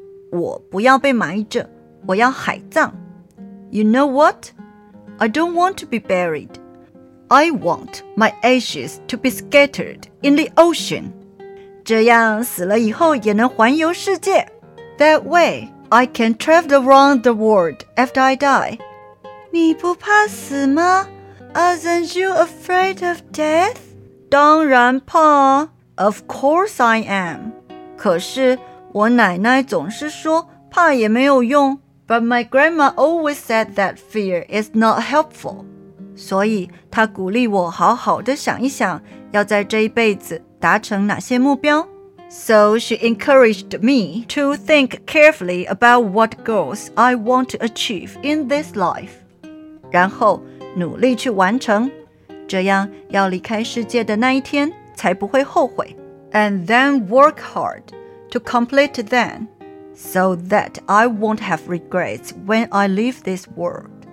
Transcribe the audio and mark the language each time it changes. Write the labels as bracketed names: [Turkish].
[Chinese] 我不要被埋着，我要海葬。 [English] You know what? I don't want to be buried. I want my ashes to be scattered in the ocean. [Chinese] 这样死了以后也能环游世界。 [English] That way, I can travel around the world after I die. [Chinese] 你不怕死吗? [English] Aren't you afraid of death? [Chinese] 当然怕。 [English] Of course I am. [Chinese] 可是我奶奶总是说怕也没有用。 [English] But my grandma always said that fear is not helpful. [Chinese] 所以她鼓励我好好地想一想要在这一辈子达成哪些目标。 [English] So she encouraged me to think carefully about what goals I want to achieve in this life. [Chinese] 然后努力去完成，这样要离开世界的那一天才不会后悔。 [English] And then work hard to complete them so that I won't have regrets when I leave this world.